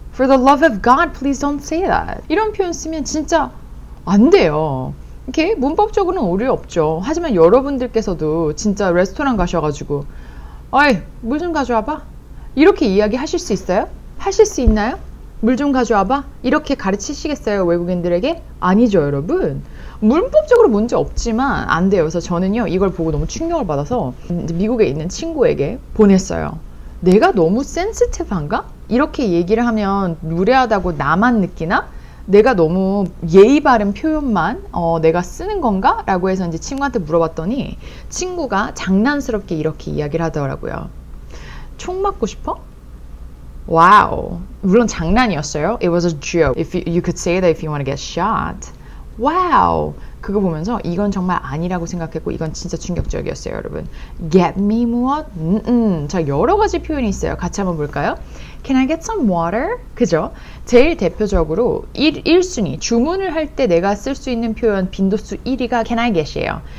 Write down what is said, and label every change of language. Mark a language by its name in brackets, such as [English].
[English] For the love of god, please don't say that. [Korean] 이런 표현 쓰면 진짜 안 돼요. 이렇게 문법적으로는 오류 없죠. 하지만 여러분들께서도 진짜 레스토랑 가셔가지고 어이, 물 좀 가져와봐. 이렇게 이야기하실 수 있어요? 하실 수 있나요? 물 좀 가져와봐. 이렇게 가르치시겠어요, 외국인들에게? 아니죠, 여러분. 문법적으로 문제 없지만 안 돼요. 그래서 저는요, 이걸 보고 너무 충격을 받아서 미국에 있는 친구에게 보냈어요. 내가 너무 센스티브한가? 이렇게 얘기를 하면 무례하다고 나만 느끼나? 내가 너무 예의 바른 표현만 내가 쓰는 건가? 라고 해서 이제 친구한테 물어봤더니 친구가 장난스럽게 이렇게 이야기를 하더라고요. 총 맞고 싶어? 와우. 물론 장난이었어요. [English] It was a joke. If you could say that if you want to get shot. [Korean] 와우. 그거 보면서 이건 정말 아니라고 생각했고 이건 진짜 충격적이었어요, 여러분. [English] Get me 무엇? [Korean] 자, 여러 가지 표현이 있어요. 같이 한번 볼까요? [English] Can I get some water? [Korean] 그죠? 제일 대표적으로 1순위, 주문을 할 때 내가 쓸 수 있는 표현 빈도수 1위가 Can I get이에요.